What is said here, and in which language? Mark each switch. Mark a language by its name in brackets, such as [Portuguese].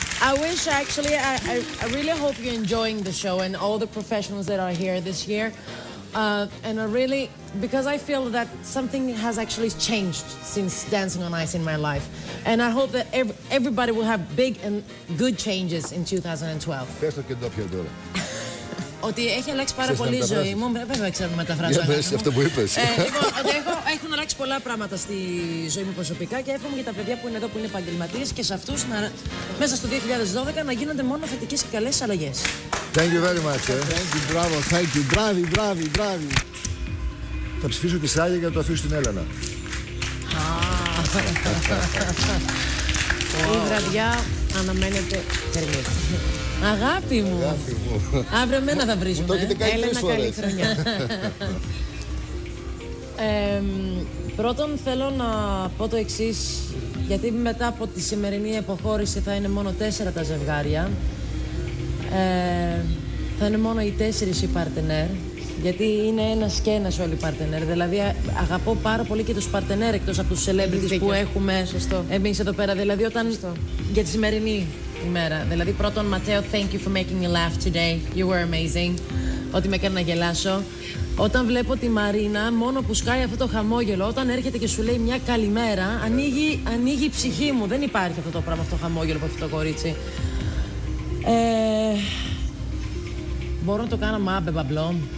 [English] I wish, actually, I really hope you're enjoying the show and all the professionals that are here this year. And I really, because I feel that something has actually changed since Dancing on Ice in my life. And I hope that everybody will have big and good changes in 2012. [Greek] Πες το και το ότι έχει αλλάξει πάρα πολύ η ζωή μου. Βέβαια, ξέρω να μεταφράζω. Για πες αυτό που είπες. Έχουν αλλάξει πολλά πράγματα στη ζωή μου προσωπικά και εύχομαι για τα παιδιά που είναι εδώ, που είναι επαγγελματίες, και σε αυτούς μέσα στο 2012 να γίνονται μόνο θετικές και καλές αλλαγές. [English] Thank you very much. Thank you, bravo, thank you. [Greek] Μπράβο, μπράβο, μπράβο. Θα ψηφίσω τη Σάγια για να το αφήσω την Έλενα. Η βραδιά αναμένεται θερμή. Αγάπη μου. Αύριο μένα θα βρίσκουμε. Έλενα, καλή χρονιά. Πρώτον θέλω να πω το εξής, γιατί μετά από τη σημερινή αποχώρηση θα είναι μόνο 4 τα ζευγάρια. Θα είναι μόνο οι 4 οι παρτενέρ, γιατί είναι ένας και ένας όλοι οι παρτενέρ. Δηλαδή αγαπώ πάρα πολύ και τους παρτενέρ εκτός από τους celebrities που έχουμε εμείς εδώ πέρα. Δηλαδή όταν για τη σημερινή ημέρα. Δηλαδή πρώτον [English] Ματέο, thank you for making me laugh today. You were amazing. [Greek] Ό,τι με έκανε να γελάσω. Όταν βλέπω τη Μαρίνα, μόνο που σκάει αυτό το χαμόγελο, όταν έρχεται και σου λέει μια καλημέρα, ανοίγει η ψυχή μου. Δεν υπάρχει αυτό το πράγμα, αυτό το χαμόγελο από αυτό το κορίτσι. Μπορώ να το κάνω μάμπε, μπαμπλό.